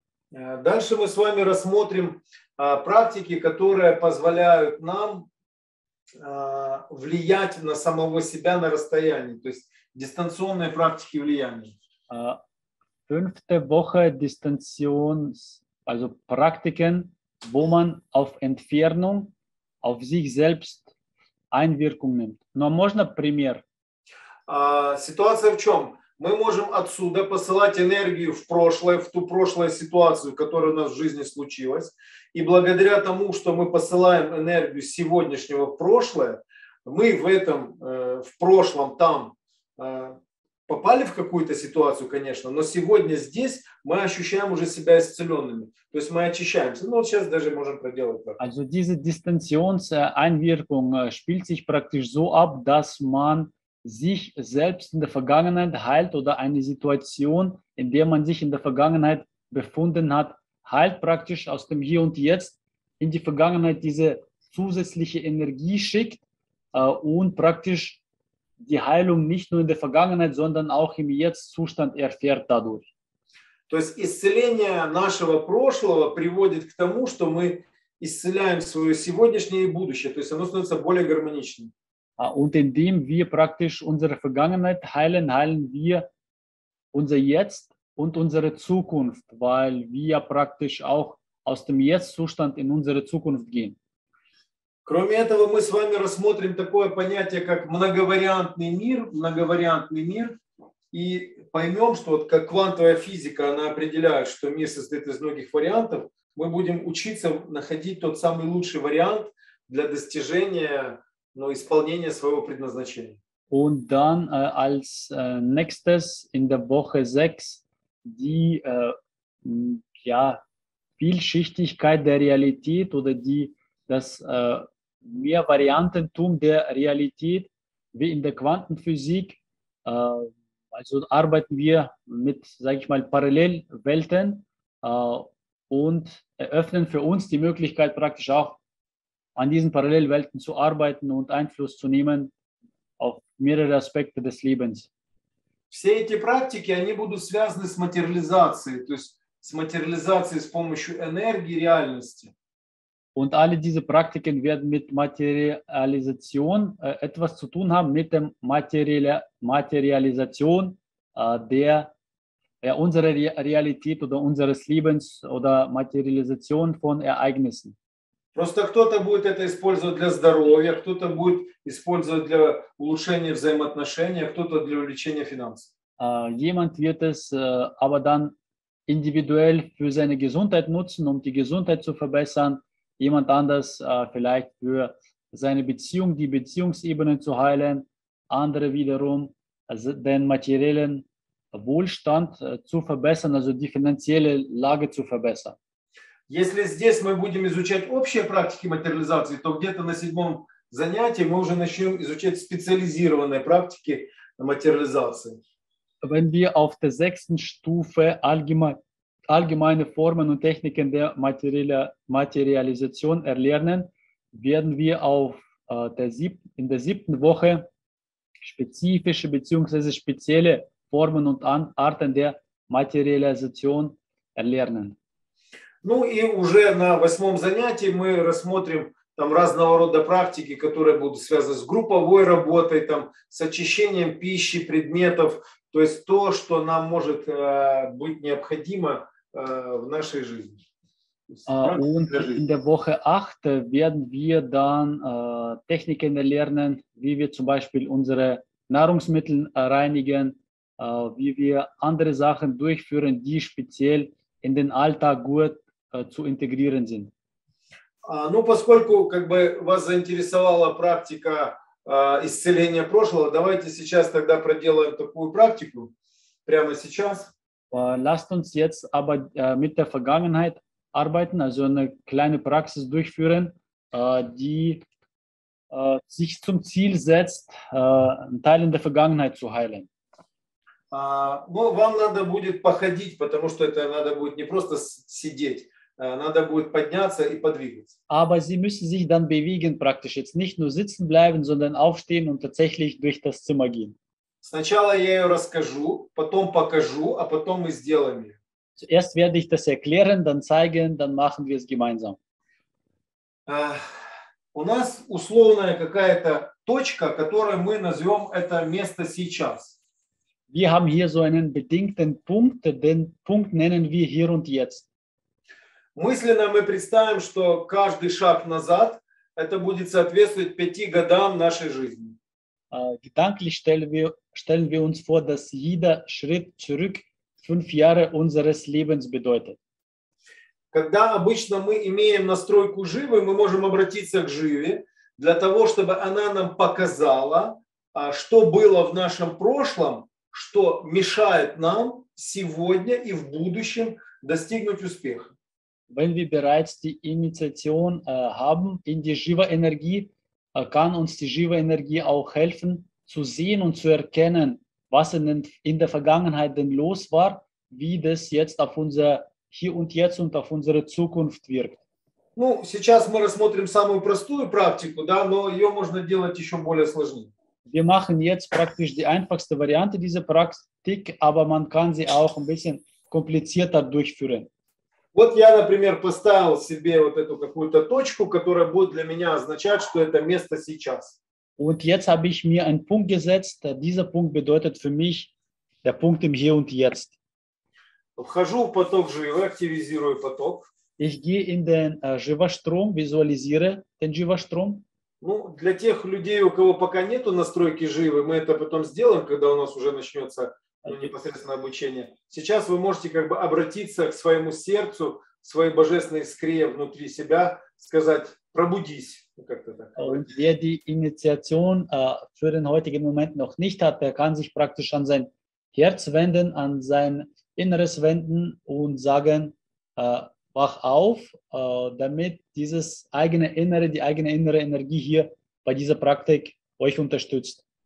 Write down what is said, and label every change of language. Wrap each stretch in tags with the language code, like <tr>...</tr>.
<ru>Дальше мы с вами рассмотрим практики, которые позволяют нам влиять на самого себя на расстоянии, то есть дистанционные практики влияния.</ru> <de>Fünfte Woche Distanzions, also Praktiken, wo man auf Entfernung, auf sich selbst Einwirkung nimmt.</de> <ru>Но можно пример? Ситуация в чем? Мы можем отсюда посылать энергию в прошлое, в ту прошлую ситуацию, которая у нас в жизни случилась. И благодаря тому, что мы посылаем энергию сегодняшнего в прошлое, мы в этом, в прошлом там попали в какую-то ситуацию, конечно, но сегодня здесь мы ощущаем уже себя исцеленными. То есть мы очищаемся. Ну вот сейчас даже можем проделать так.</ru> <de>Also diese Distanzionseinwirkung spielt sich praktisch so ab, dass man sich selbst in der Vergangenheit heilt oder eine Situation, in der man sich in der Vergangenheit befunden hat, heilt praktisch aus dem Hier und Jetzt in die Vergangenheit diese zusätzliche Energie schickt und praktisch die Heilung nicht nur in der Vergangenheit, sondern auch im Jetzt-Zustand erfährt dadurch.</de> <ru>То есть исцеление нашего прошлого приводит к тому, что мы исцеляем свое сегодняшнее и будущее. То есть оно становится более гармоничным.</ru> <de>Und indem wir praktisch unsere Vergangenheit heilen, heilen wir unser Jetzt und unsere Zukunft, weil wir praktisch auch aus dem Jetzt-Zustand in unsere Zukunft gehen.</de> <ru>Кроме этого, мы с вами рассмотрим такое понятие, как многовариантный мир, и поймем, что вот как квантовая физика, она определяет, что мир состоит из многих вариантов, мы будем учиться находить тот самый лучший вариант для достижения но исполнение своего предназначения.</ru> <de>Und dann als nächstes in der Woche 6 die ja, Vielschichtigkeit der Realität oder die das Mehrvariantentum der Realität wie in der Quantenphysik also arbeiten wir mit, sage ich mal, Parallelwelten und eröffnen für uns die Möglichkeit praktisch auch an diesen Parallelwelten zu arbeiten und Einfluss zu nehmen auf mehrere Aspekte des Lebens.</de> <ru>Все эти практики, они будут связаны с материализацией, то есть с материализацией с помощью энергии реальности.</ru> <de>Und alle diese Praktiken werden mit Materialisation etwas zu tun haben mit der Materialisation der unserer Realität oder unseres Lebens oder Materialisation von Ereignissen.</de> <ru>Просто кто-то будет это использовать для здоровья, кто-то будет использовать для улучшения взаимоотношений, кто-то для увеличения финансов.</ru> <de>Jemand wird es aber dann individuell für seine Gesundheit nutzen, um die Gesundheit zu verbessern. Jemand anders vielleicht für seine Beziehung, die Beziehungsebene zu heilen, andere wiederum den materiellen Wohlstand zu verbessern, also die finanzielle Lage zu verbessern.</de> <ru>Если здесь мы будем изучать общие практики материализации, то где-то на седьмом занятии мы уже начнем изучать специализированные практики материализации.</ru> <de>Wenn wir auf der sechsten Stufe allgemeine Formen und Techniken der Materialisation erlernen, werden wir in der siebten Woche spezifische bzw. spezielle Formen und Arten der Materialisation erlernen.</de> <ru>Ну и уже на восьмом занятии мы рассмотрим там разного рода практики, которые будут связаны с групповой работой, там, с очищением пищи, предметов, то есть то, что нам может быть необходимо в нашей жизни.</ru> <de>Und in der Woche 8 werden wir dann Techniken erlernen, wie wir zum Beispiel unsere Nahrungsmittel reinigen, wie wir andere Sachen durchführen, die speziell in den Alltag gut zu integrieren sind.</de> <ru>Ну, поскольку как бы вас заинтересовала практика исцеления прошлого, давайте сейчас тогда проделаем такую практику прямо сейчас.</ru> <de>Lasst uns jetzt aber mit der Vergangenheit arbeiten, also eine kleine Praxis durchführen, die sich zum Ziel setzt, einen Teil in der Vergangenheit zu heilen.</de> <ru>Ну, вам надо будет походить, потому что это надо будет не просто сидеть. Надо будет подняться и подвигаться.</ru> <de>Aber Sie müssen sich dann bewegen praktisch. Jetzt nicht nur sitzen bleiben, sondern aufstehen und tatsächlich durch das Zimmer gehen.</de> <ru>Сначала я ее расскажу, потом покажу, а потом мы сделаем ее.</ru> <de>Zuerst werde ich das erklären, dann zeigen, dann machen wir es gemeinsam.</de> <ru>У нас условная какая-то точка, которую мы назовем это место сейчас.</ru> <de>Wir haben hier so einen bedingten Punkt, den Punkt nennen wir hier und jetzt.</de> <ru>Мысленно мы представим, что каждый шаг назад это будет соответствовать пяти годам нашей жизни.</ru> <de>Gedanklich stellen wir uns vor, dass jeder Schritt zurück fünf Jahre unseres Lebens bedeutet.</de> <ru>Когда обычно мы имеем настройку живы, мы можем обратиться к живе для того, чтобы она нам показала, что было в нашем прошлом, что мешает нам сегодня и в будущем достигнуть успеха.</ru> <de>Wenn wir bereits die Initiation haben in die Shiva-Energie, kann uns die Shiva-Energie auch helfen, zu sehen und zu erkennen, was in der Vergangenheit denn los war, wie das jetzt auf unser Hier und Jetzt und auf unsere Zukunft wirkt.</de> <ru>Ну, сейчас мы рассмотрим самую простую практику, да, но ее можно делать еще более сложнее.</ru> <de>Wir machen jetzt praktisch die einfachste Variante dieser Praktik, aber man kann sie auch ein bisschen komplizierter durchführen.</de> <ru>Вот я, например, поставил себе вот эту какую-то точку, которая будет для меня означать, что это место сейчас.</ru> <de>Und jetzt habe ich mir einen Punkt gesetzt. Dieser Punkt bedeutet für mich der Punkt im Hier und Jetzt.</de> <ru>Вхожу в поток живы, активизирую поток.</ru> <de>Ich gehe in den Jiva-Strom, visualisiere den Jiva-Strom.</de> <ru>Ну, для тех людей, у кого пока нету настройки живы, мы это потом сделаем, когда у нас уже начнется непосредственно обучение. Сейчас вы можете как бы обратиться к своему сердцу, своей божественной искре внутри себя, сказать: «Пробудись».</ru> <de>Und wer die Initiation für den heutigen Moment noch nicht hat, der kann sich praktisch an sein Herz wenden, an sein Inneres wenden und sagen: «Wach auf», damit dieses eigene Innere, die eigene innere Energie hier bei dieser Praktik euch unterstützt.</de>